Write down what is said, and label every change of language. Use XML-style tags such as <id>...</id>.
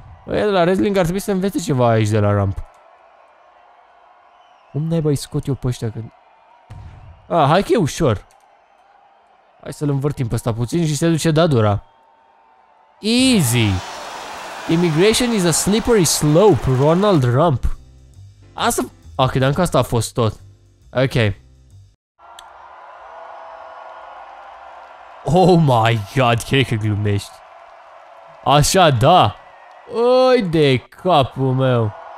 <ro>Aia de la wrestling ar trebui să învețe ceva aici de la Rump. Cum naiba-i scot eu pe ăștia când... Ah, hai că e ușor. Hai să-l învârtim pe ăsta puțin și se duce Dadura.</ro> <en>Easy. Immigration is a slippery slope, Ronald Rump.</en> <ro>Asta... Ah, credeam că asta a fost tot. Ok.</ro> <en>Oh my god,</en> <ro>cred că glumești. Așa, da. Oi de capul meu.</ro>